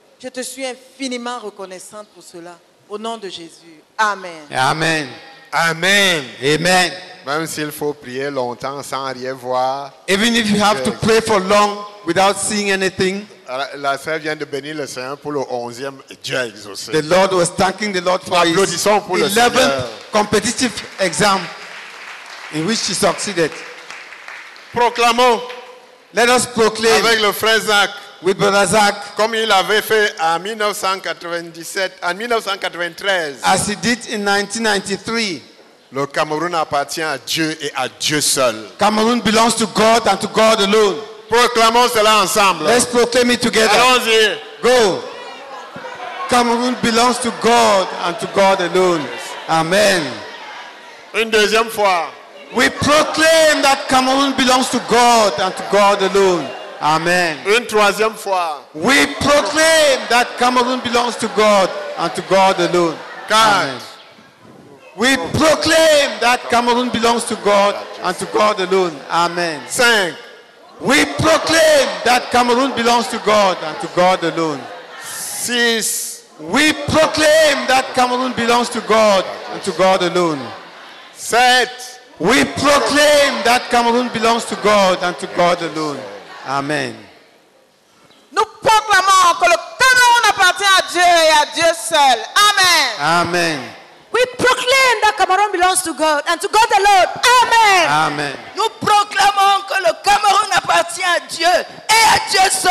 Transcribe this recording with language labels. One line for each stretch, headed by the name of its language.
French: Je te suis infiniment reconnaissante pour cela. Au nom de Jésus. Amen. Amen. Amen. Amen. Même s'il faut prier longtemps sans rien voir.
English: Even if you have to pray for long without seeing anything.
French: La sœur vient de bénir le Seigneur pour le 11e Dieu exaucé.
English: The Lord was thanking the Lord for his 11th competitive exam in which she succeeded.
French: Proclamons.
English: Let us proclaim.
French: Avec le frère Zach.
English: With Brother Zach.
French: Comme il avait fait en 1993.
English: As he did in 1993.
French: Le Cameroun appartient à Dieu et à Dieu seul.
English: Cameroon belongs to God and to God alone.
French: Proclamons cela ensemble.
English: Let's proclaim it together.
French: Allons-y.
English: Go. Cameroon belongs to God and to God alone. Amen.
French: Une deuxième fois.
English: We proclaim that Cameroon belongs to God and to God alone. Amen.
French: Une troisième fois.
English: We proclaim that Cameroon belongs to God and to God alone. Amen. We proclaim that Cameroon belongs to God and to God alone. Amen.
French: Cinq.
English: We proclaim that Cameroon belongs to God and to God alone.
French: Six.
English: We proclaim that Cameroon belongs to God and to God alone. Seven. We proclaim that Cameroon belongs to God and to God alone. Amen.
French: Nous proclamons que le Cameroun appartient à Dieu et à Dieu seul. Amen. Amen.
English: We proclaim that Cameroon belongs to God and to God alone. Amen. Amen.
French: Nous proclamons que le Cameroun appartient à Dieu et à Dieu seul.